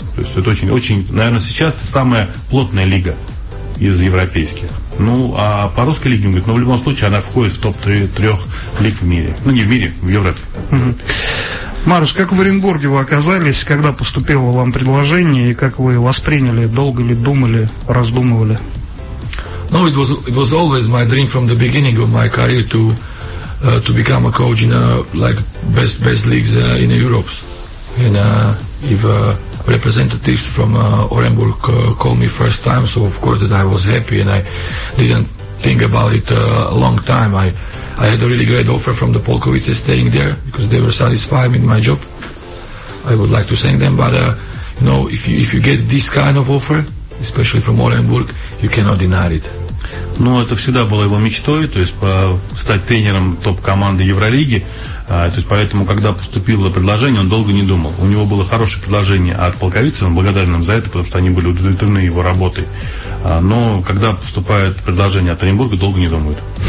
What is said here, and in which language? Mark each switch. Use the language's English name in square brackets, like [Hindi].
[Russian] То есть это очень, очень, наверное, сейчас это самая плотная лига из европейских. Ну, а по русской лиге, он говорит, ну, в любом случае, она входит в топ-3 лиг в мире. Ну, не в мире, в Европе. Марш, как в Оренбурге вы оказались, когда поступило вам предложение, и как вы восприняли, долго ли думали, раздумывали? [English] No, it was always my dream from the beginning of my career to to become a coach in like best leagues in Europe. And if representatives from Orenburg called me first time, so of course that I was happy, and I didn't think about it a long time. I had a really great offer from the Polkovices staying there because they were satisfied with my job. I would like to thank them, but you know, if you get this kind of offer, especially from Orenburg, you cannot deny it. [Russian] Ну, это всегда было его мечтой, то есть стать тренером топ-команды Евролиги. То есть поэтому, когда поступило предложение, он долго не думал. У него было хорошее предложение от Полковицына, он благодарен им за это, потому что они были удовлетворены его работой. Но когда поступает предложение от Оренбурга, долго не думают.